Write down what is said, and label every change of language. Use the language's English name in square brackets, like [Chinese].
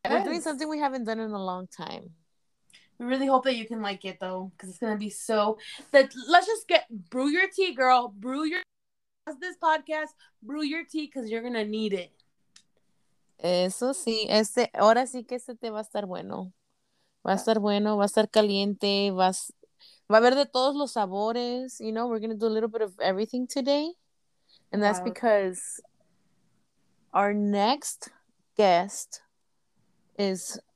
[English] We're doing something we haven't done in a long time. We really hope that you can like it, though, because it's going to be so... Let's just get... Brew your tea, girl. Brew your... This podcast, brew your tea, because you're going to need it. [Spanish] Eso sí. Ahora sí que este té va a estar bueno. Va a estar bueno. Va a estar caliente. Va a haber de todos los sabores. [English] You know, we're going to do a little bit of everything today. And that's because our next guest is...